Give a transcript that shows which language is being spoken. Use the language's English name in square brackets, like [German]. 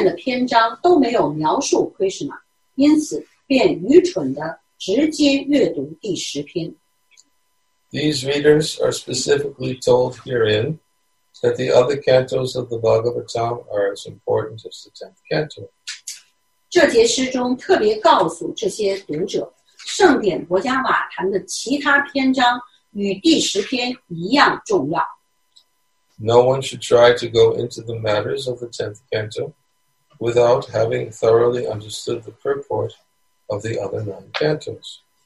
[Chinese] 他们错误地认为前面的篇章都没有描述Krishna, 因此便愚蠢地直接阅读第10篇。 [English] These readers are specifically told herein that the other cantos of the Bhagavatam are as important as the 10th canto. [Chinese] 这节诗中特别告诉这些读者, 圣典国家瓦坛的其他篇章与第10篇一样重要。 [English] No one should try to go into the matters of the 10th canto without having thoroughly understood the purport of the other 9 cantos.